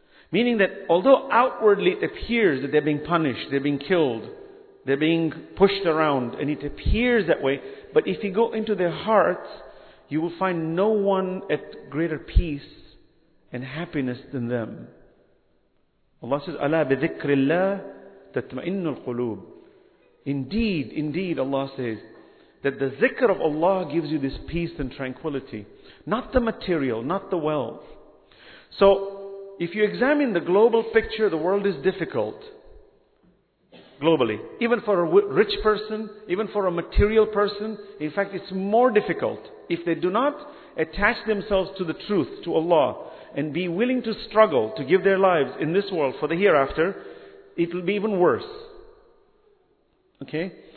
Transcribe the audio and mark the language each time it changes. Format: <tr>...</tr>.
<en>Meaning that although outwardly it appears that they're being punished, they're being killed, they're being pushed around, and it appears that way, but if you go into their hearts, you will find no one at greater peace and happiness than them. Allah says,</en> <ar>أَلَا بِذِكْرِ اللَّهِ تَتْمَئِنُّ الْقُلُوبِ.</ar> <en>Indeed, Allah says, that the zikr of Allah gives you this peace and tranquility. Not the material, not the wealth. So, if you examine the global picture, the world is difficult. Globally, even for a rich person, even for a material person, in fact it's more difficult if they do not attach themselves to the truth, to Allah, and be willing to struggle to give their lives in this world for the hereafter, it will be even worse. Okay?</en>